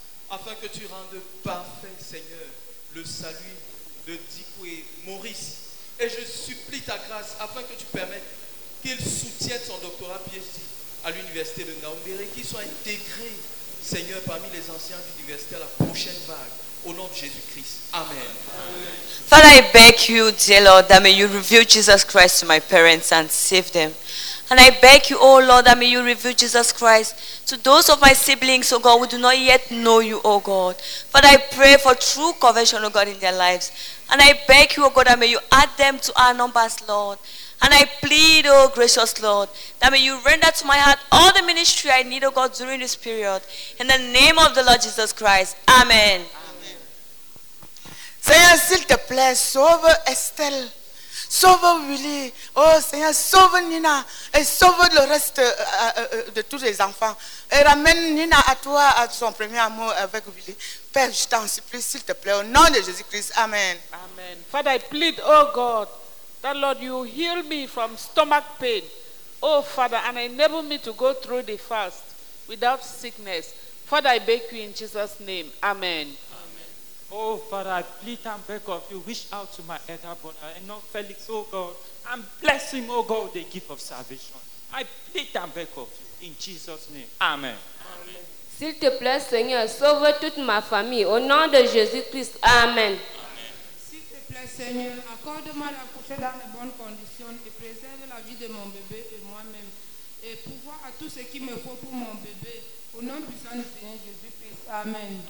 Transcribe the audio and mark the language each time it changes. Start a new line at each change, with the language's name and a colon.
French: Afin que tu rendes parfait, Seigneur, le salut de Dico et Maurice. Et je supplie ta grâce afin que tu permettes qu'il soutienne son doctorat PhD à l'université de Ngaoundéré, qu'il soit intégré, Seigneur, parmi les anciens de l'université à la prochaine vague. Au nom de Jésus-Christ. Amen. Amen.
English: Father, I beg you, dear Lord, that may you reveal Jesus Christ to my parents and save them. And I beg you, O Lord, that may you reveal Jesus Christ to those of my siblings, O God, who do not yet know you, O God. Father, I pray for true conversion, O God, in their lives. And I beg you, O God, that may you add them to our numbers, Lord. And I plead, O gracious Lord, that may you render to my heart all the ministry I need, O God, during this period. In the name of the Lord Jesus Christ. Amen.
French: Amen. Seigneur, s'il te plaît, sauve Estelle. Sauve Willy, oh Seigneur, sauve Nina et sauve le reste de tous les enfants. Et ramène Nina à toi, à son premier amour avec Willy. Père, je t'en supplie, s'il te plaît, au nom de Jésus-Christ, amen. Amen.
English: Father, I plead, oh God, that Lord, you heal me from stomach pain. Oh Father, and enable me to go through the fast. without sickness. Father, I beg you in Jesus' name. Amen. Oh, Father, I plead and beg of you, reach out to my elder brother and not Felix, oh God, and bless him, oh God, the gift of salvation. I plead and beg of you in Jesus' name. Amen.
French: S'il te plaît, Seigneur, sauve toute ma famille. Au nom de Jésus-Christ, amen. S'il te plaît, Seigneur, accorde-moi d'accoucher dans de bonnes conditions et préserve la vie de mon bébé et moi-même. Et pouvoir à tout ce qu'il me faut pour mon bébé. Au nom puissant du Seigneur Jésus-Christ, amen.